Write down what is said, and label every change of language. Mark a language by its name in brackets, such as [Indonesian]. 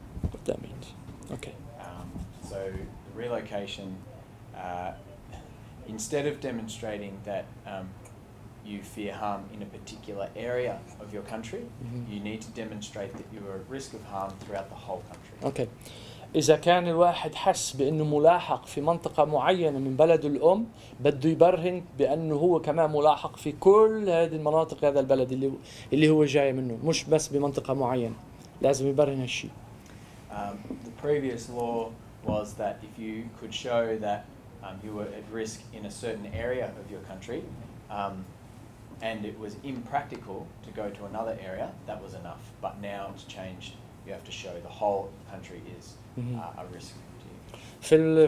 [English] What that means? Okay. So the relocation, instead of demonstrating that you fear harm in a particular area of your country, mm-hmm. you need to demonstrate that you are at risk of harm throughout the whole country. Okay. [Arabic] إذا كان الواحد حس بأنه ملاحق في منطقة معينة من بلد الأم بده يبرهن بأنه هو كمان ملاحق في كل هذه المناطق هذا البلد اللي هو جاي منه مش بس بمنطقة معينة لازم يبرهن هالشيء. [English] The previous law was that if you could show that you were at risk in a certain area of your country and it was impractical to go to another area, that was enough. But now it's changed. You have to show the whole country is a risk to you.